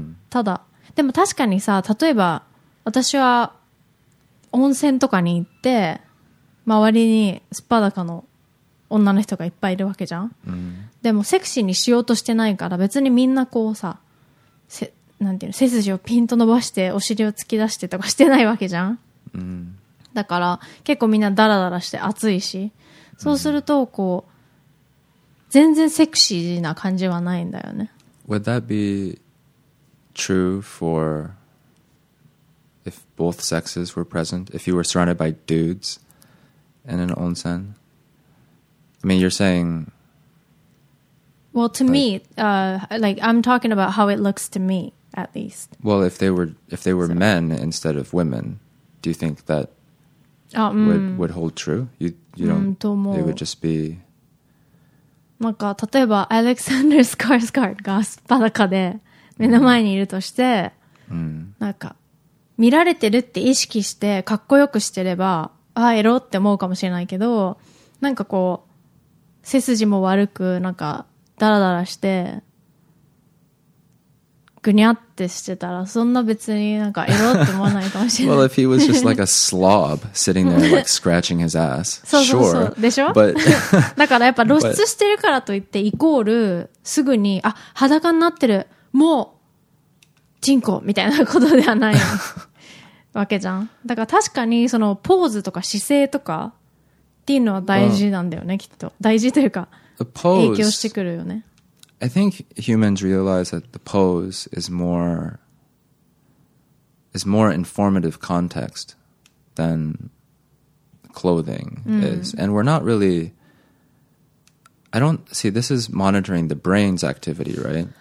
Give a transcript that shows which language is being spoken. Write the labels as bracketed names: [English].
[Japanese] ただでも確かにさ、例えば私は温泉とかに行って周りに素裸の女の人がいっぱいいるわけじゃん、でもセクシーにしようとしてないから別にみんなこうさ、なんていうの、背筋をピンと伸ばしてお尻を突き出してとかしてないわけじゃん、だから結構みんなダラダラして暑いし、そうするとこう、全然セクシーな感じはないんだよね。 [English] Would that be true for if both sexes were present? If you were surrounded by dudes in an onsen? I mean, you're saying Well, to me, like I'm talking about how it looks to me, at least. Well, if they were so. Men instead of women, do you think that would hold true? You don't. They would just be. [Japanese] なんか例えばアレクサンダー・スカルスガードがスパダカで目の前にいるとして、なんか見られてるって意識してかっこよくしてれば、ああエロって思うかもしれないけど、なんかこう背筋も悪くなんかダラダラしてグニャってしてたら、そんな別になんかエロって思わないかもしれない。 [English] Well, if he was just like a slob sitting there like scratching his ass, [Japanese] そうそうそう、sure. でしょ？ [English] But, [Japanese] だからやっぱ露出してるからといってイコールすぐに、あ、裸になってる、もうチンコみたいなことではないわけじゃん。だから確かにそのポーズとか姿勢とかっていうのは大事なんだよね、きっと。大事というか影響してくるよね。 [English] I think humans realize that the pose is more informative context than clothing is. And we're not really, I don't see, this is monitoring the brain's activity, right?